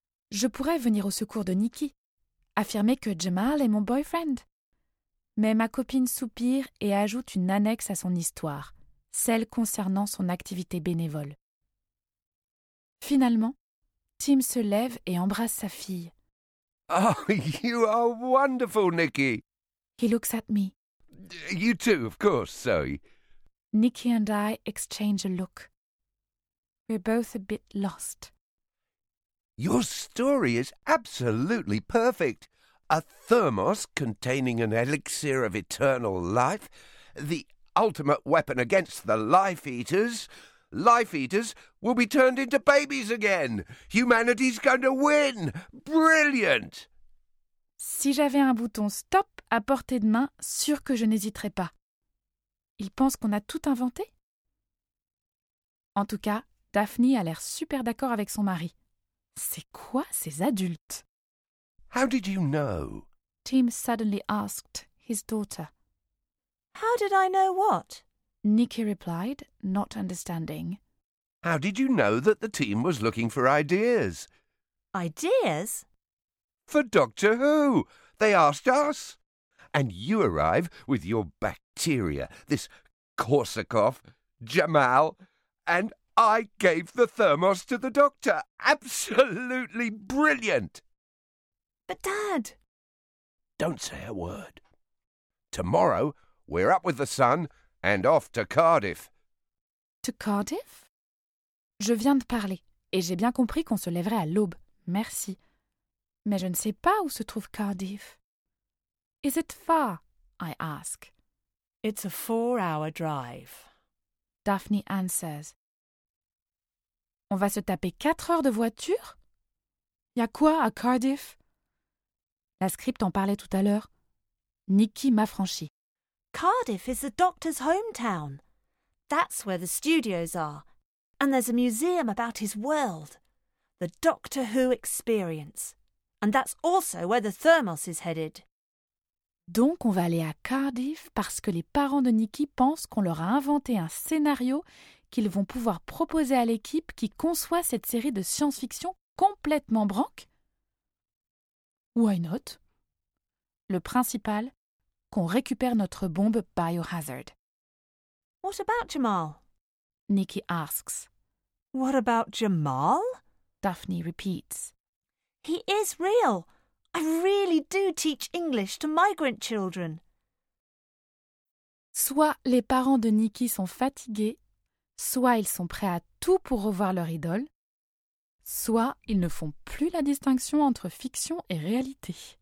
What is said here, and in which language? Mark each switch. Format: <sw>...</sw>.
<fr>Je pourrais venir au secours de Nikki, affirmer que Jamal est mon boyfriend. Mais ma copine soupire et ajoute une annexe à son histoire, celle concernant son activité bénévole. Finalement, Tim se lève et embrasse sa fille.</fr> <en>Oh, you are wonderful, Nikki. He looks at me. You too, of course, Zoe. Nikki and I exchange a look. We're both a bit lost. Your story is absolutely perfect. A thermos containing an elixir of eternal life, the ultimate weapon against the Life Eaters. Life Eaters will be turned into babies again. Humanity's going to win. Brilliant.</en> <fr>Si j'avais un bouton stop à portée de main, sûr que je n'hésiterais pas. Ils pensent qu'on a tout inventé? En tout cas, Daphne a l'air super d'accord avec son mari. C'est quoi ces adultes?</fr> <en>How did you know? Tim suddenly asked his daughter. How did I know what? Nikki replied, not understanding. How did you know that the team was looking for ideas? Ideas? For Doctor Who, they asked us. And you arrive with your bacteria, this Korsakoff, Jamal, and I gave the thermos to the doctor. Absolutely brilliant! But Dad! Don't say a word. Tomorrow, we're up with the sun and off to Cardiff. To Cardiff?</en> <fr>Je viens de parler et j'ai bien compris qu'on se lèverait à l'aube. Merci. Mais je ne sais pas où se trouve Cardiff.</fr> <en>Is it far? I ask. It's a 4-hour drive. Daphne answers.</en> <fr>On va se taper 4 heures de voiture? Y'a quoi à Cardiff? La script en parlait tout à l'heure. Nikki m'affranchit.</fr> <en>Cardiff is the doctor's hometown. That's where the studios are. And there's a museum about his world. The Doctor Who experience. And that's also where the thermos is headed.</en> <fr>Donc on va aller à Cardiff parce que les parents de Nikki pensent qu'on leur a inventé un scénario qu'ils vont pouvoir proposer à l'équipe qui conçoit cette série de science-fiction complètement branque?</fr> <en>Why not?</en> <fr>Le principal, qu'on récupère notre bombe biohazard.</fr> <en>What about Jamal? Nikki asks. What about Jamal? Daphne repeats. He is real. I really do teach English to migrant children.</en> <fr>Soit les parents de Nikki sont fatigués, soit ils sont prêts à tout pour revoir leur idole, soit ils ne font plus la distinction entre fiction et réalité.</fr>